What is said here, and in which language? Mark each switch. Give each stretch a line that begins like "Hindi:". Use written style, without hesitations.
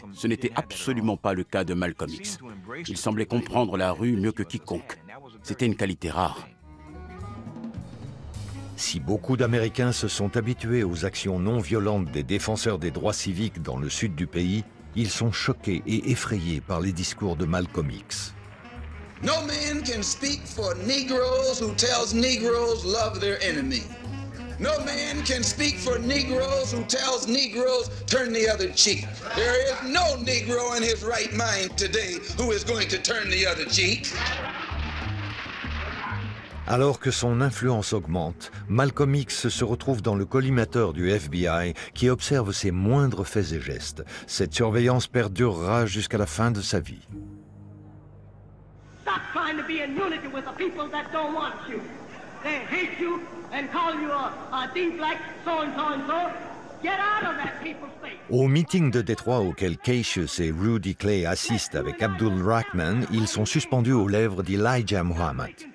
French: Ce n'était absolument pas le cas de Malcolm X. Il semblait comprendre la rue mieux que quiconque. C'était une qualité rare. Si beaucoup d'Américains se sont habitués aux actions non violentes des défenseurs des droits civiques dans le sud du pays, ils sont choqués et effrayés par les discours de Malcolm X.
English: No man can speak for Negroes who tells Negroes love their enemy. No man can speak for Negroes who tells Negroes turn the other cheek. There is no Negro in his right mind today who is going to turn the other cheek.
French: Alors que son influence augmente, Malcolm X se retrouve dans le collimateur du FBI qui observe ses moindres faits et gestes. Cette surveillance perdurera jusqu'à la fin de sa vie.
English: Stop trying to be in unity with the people that don't want you. They hate you and call you a D-black, so-and-so-and-so. Get out of that people's face.
French: Au meeting de Détroit auquel Cassius et Rudy Clay assistent avec Abdul Rahman, ils sont suspendus aux lèvres d'Elijah Muhammad.